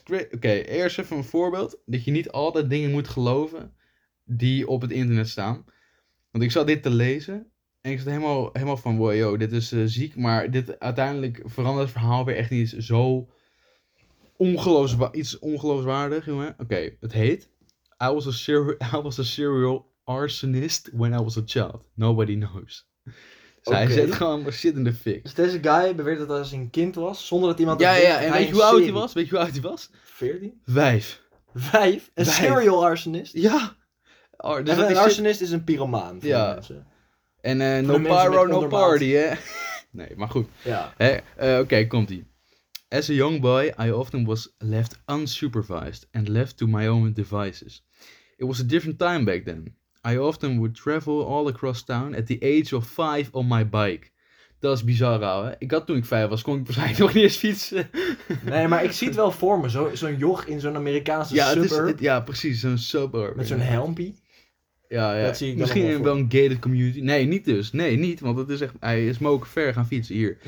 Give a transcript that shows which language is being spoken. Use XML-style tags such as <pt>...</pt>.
<nl>Oké, okay, eerst even een voorbeeld. Dat je niet altijd dingen moet geloven die op het internet staan. Want ik zat dit te lezen en ik zat helemaal van... Wow, yo, dit is ziek. Maar dit uiteindelijk verandert het verhaal weer echt iets zo ongeloofwaardig, jongen. Oké, okay, het heet...</nl> <en>I was a serial arsonist when I was a child. Nobody knows.</en> <nl>Zij zet gewoon shit in de fik. Dus deze guy beweert dat hij een kind was, zonder dat iemand... Ja, ja, ja. En weet je hoe oud hij was? Weet je hoe oud hij was? 14? Vijf. Vijf? Een serial arsonist? Ja. Een arsonist is een pyromaan. Ja. En</nl> <en>no pyro, no party,</en> <nl>hè? Nee, maar goed. Ja. Oké, komt-ie.</nl> <en>As a young boy, I often was left unsupervised and left to my own devices. It was a different time back then. I often would travel all across town at the age of 5 on my bike.</en> <nl>Dat is bizar, ouwe. Toen ik 5 was, kon ik waarschijnlijk nog niet eens fietsen. Nee, maar ik zie het wel voor me. Zo'n joch in zo'n Amerikaanse suburb. Ja, precies. Zo'n suburb. Met zo'n helmpie. Ja, ja. Dat zie ik misschien in wel een gated community. Nee, niet dus. Nee, niet. Want het is echt... Hij is mogen ver gaan fietsen hier.</nl>